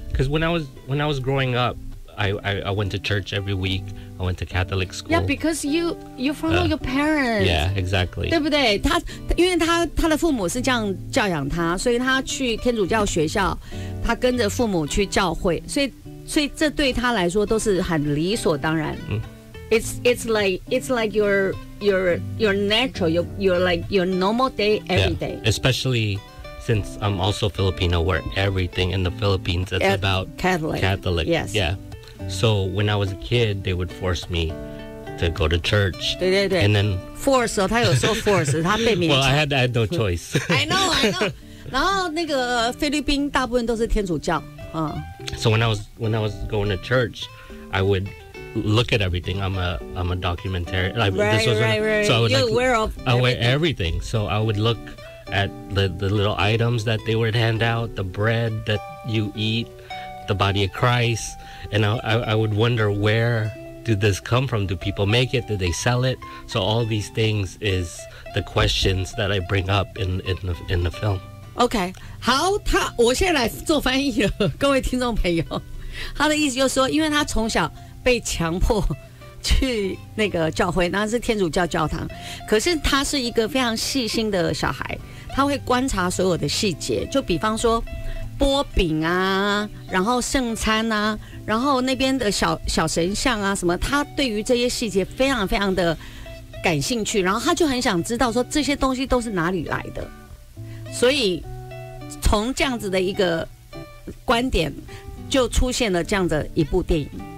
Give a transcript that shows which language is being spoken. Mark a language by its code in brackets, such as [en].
[en] Because when I was growing up, I went to church every week. I went to Catholic school. Yeah, because you follow your parents. Yeah, exactly. [zh] 对不对？他因为他的父母是这样教养他，所以他去天主教学校，他跟着父母去教会，所以这对他来说都是很理所当然。 [en] It's like you're natural, you're like your normal day, every day. Especially since I'm also Filipino, where everything in the Philippines is about Catholic. Yes. Yeah. So when I was a kid, they would force me to go to church. [zh] 对对对。 [en] And then... [zh] Force, 他有说 force, 他被勉 [en] 强。Well, I had no choice. I know. [zh] 然后那个菲律宾大部分都是天主教。 [en] So when I was going to church, I would... look at everything. I'm a documentary. I was aware of everything. So I would look at the little items that they would hand out, the bread that you eat, the body of Christ, and I would wonder, where did this come from? Do people make it? Do they sell it? So all these things is the questions that I bring up in the film. Okay. [zh] 好，他我现在来做翻译了，各位听众朋友，他的意思就是说，因为他从小。被强迫去那个教会，那是天主教教堂，可是他是一个非常细心的小孩，他会观察所有的细节，就比方说波饼啊，然后圣餐啊，然后那边的小小神像啊什么，他对于这些细节非常非常的感兴趣，然后他就很想知道说这些东西都是哪里来的，所以从这样子的一个观点就出现了这样的一部电影。